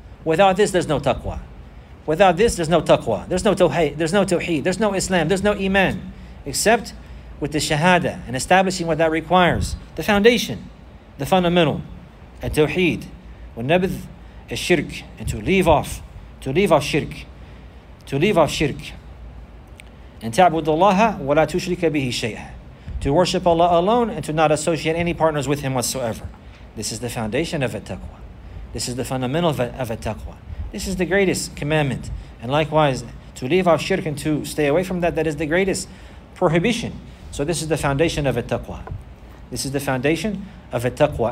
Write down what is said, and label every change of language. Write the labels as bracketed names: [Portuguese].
[English] Without this, there's no taqwa. Without this, there's no taqwa. There's no tawheed. There's no Islam. There's no iman. Except with the shahada and establishing what that requires. The foundation, the fundamental, at tawheed. [Arabic] وَنَبْذْ الشِّرْكِ. [English] And to leave off shirk. [Arabic] And تَعْبُدُ اللَّهَ وَلَا تُشْرِكَ بِهِ شَيْئًا. [English] To worship Allah alone and to not associate any partners with Him whatsoever. This is the foundation of a taqwa. This is the fundamental of a taqwa. This is the greatest commandment. And likewise, to leave off shirk and to stay away from that, that is the greatest prohibition. So this is the foundation of a taqwa. This is the foundation of a taqwa.